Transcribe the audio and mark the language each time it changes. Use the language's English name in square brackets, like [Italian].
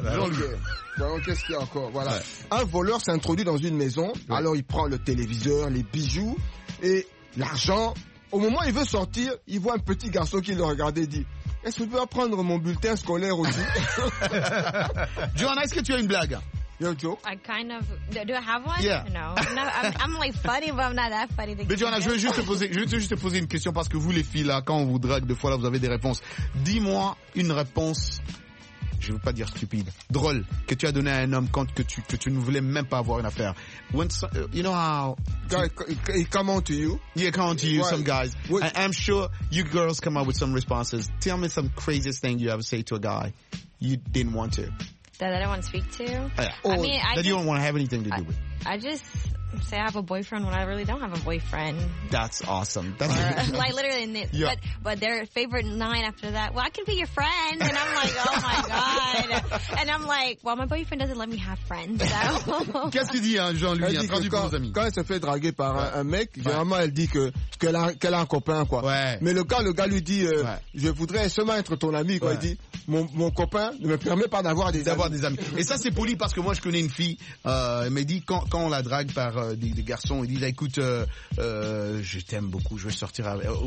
[French] Jean-Louis. Voyons qu'est-ce qu'il y a encore. Voilà. Ouais. Un voleur s'introduit dans une maison. Ouais. Alors il prend le téléviseur, les bijoux et l'argent. Au moment où il veut sortir, il voit un petit garçon qui le regardait et dit « Est-ce que tu peux apprendre mon bulletin scolaire aussi ?» Joanna, est-ce que tu as une blague ? [English] You have a joke ? I kind of... Do I have one ? Yeah. No. I'm like funny, but I'm not that funny. [French] Mais Joanna, je vais juste te poser une question parce que vous, les filles, là, quand on vous drague, des fois, là, vous avez des réponses. Dis-moi une réponse, je ne veux pas dire stupide, drôle, que tu as donné à un homme quand que tu ne voulais même pas avoir une affaire. [English] When so, you know how... He come on to you. Yeah, come on to you, right. Some guys. I'm sure you girls come up with some responses. Tell me some craziest thing you ever say to a guy you didn't want to. That I don't want to speak to? You don't want to have anything to do with. I just say I have a boyfriend when I really don't have a boyfriend. That's awesome. That's like literally, but their favorite line after that, well, I can be your friend. And I'm like, oh my God. And I'm like, well, my boyfriend doesn't let me have friends. So. [French] Qu'est-ce qu'il dit, hein, Jean-Louis? Elle dit que quand elle se fait draguer par un mec, généralement, elle dit qu'elle a un copain, quoi. Ouais. Mais le gars lui dit, je voudrais seulement être ton ami, quoi. Ouais. Il dit, mon copain ne me permet pas d'avoir des amis. Et ça, c'est poli parce que moi, je connais une fille, elle m'a dit, quand on la drague par des garçons, il dit, écoute, je t'aime beaucoup, je vais sortir avec...